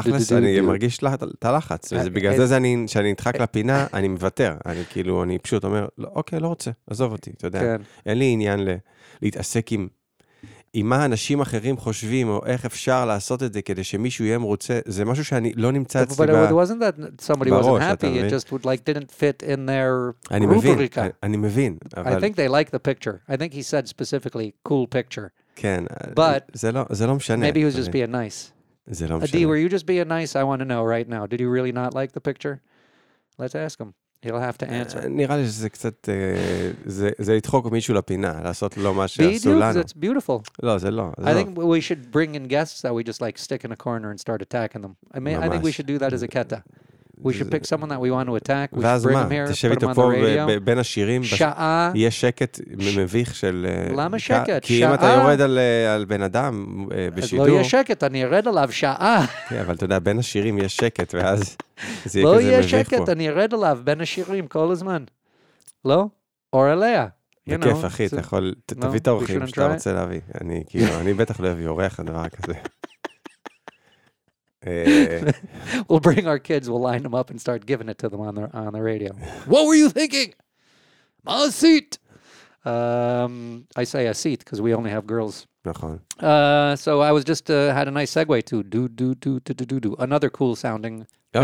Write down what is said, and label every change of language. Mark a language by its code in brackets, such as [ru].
[he] תכלס, אני מרגיש את הלחץ, ובגלל זה שאני נדחק לפינה, אני מוותר. אני כאילו, אני פשוט אומר, אוקיי, לא רוצה, עזוב אותי, אתה יודע. אין לי עניין להתעסק עם מה אנשים אחרים חושבים, או איך אפשר לעשות את זה כדי שמישהו יהיה מרוצה. זה משהו שאני לא נמצא אצלי בראש, אתה מבין? [en] But it wasn't that somebody wasn't happy, it just would like didn't fit in their rubrica. [he] אני מבין, אבל... [en] I think they like the picture. I think he said specifically, cool picture. [he] כן, [en] but [he] זה לא משנה. [en] Maybe he was just being nice. זה לא משנה. Adi, were you just being nice? I want to know right now. Did you really not like the picture? Let's ask him. He'll have to answer. [he] נראה לי שזה קצת... זה לדחוק מישהו לפינה, לעשות לו מה שעשו לנו. [en] It's beautiful. [he] לא, זה לא. [en] I think we should bring in guests that we just like stick in a corner and start attacking them. I think we should do that as a keta. We should pick someone that we want to attack. We should bring him here, put him on the radio. [he] ואז מה? תשב איתו פה בין השירים. שעה. יהיה שקט מביך של... למה שקט? כי אם אתה יורד על בן אדם בשידור... אז לא יהיה שקט, אני ארד עליו שעה. אבל אתה יודע, בין השירים יהיה שקט, ואז זה יהיה פה. לא יהיה שקט, אני ארד עליו בין השירים כל הזמן. לא? אור אליה. בכיף, אחי, אתה יכול... תביא את האורחים שאתה רוצה להביא. אני כאילו, אני בטח לא אביא אורח הדבר כזה. [en] We'll bring our kids, we'll line them up and start giving it to them on the radio. What were you thinking? A seat. I say a seat because we only have girls. So I was just had a nice segue to do do do do do do do another cool sounding band.